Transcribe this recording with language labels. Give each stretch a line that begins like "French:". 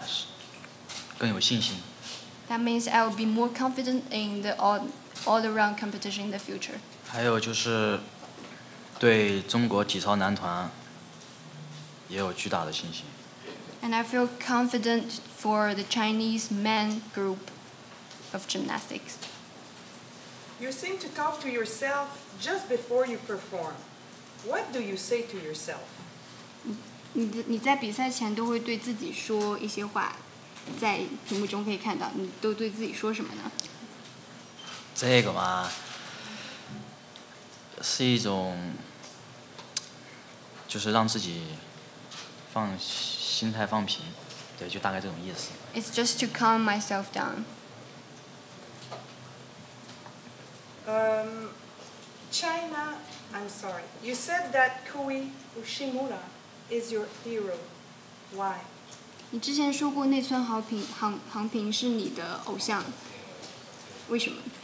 Chinese: 意味着对全能在今后的比赛更有信心。
English: That means I will be more confident in the all-around competition in the future.
Chinese: 还有就是 对中国体操男团也有巨大的信心。And
English: I feel confident for the Chinese men group of gymnastics. You seem to talk to yourself just before you perform. What do you say to yourself?
Chinese: 你在比赛前都会对自己说一些话，在屏幕中可以看到，你都对自己说什么呢？这个嘛，是一种，就是让自己放心态放平，对，就大概这种意思。
English: It's just to calm myself down. China, I'm sorry. You said that Kui Uchimura is your hero. Why?
Chinese: 你之前说过内村航平是你的偶像，为什么？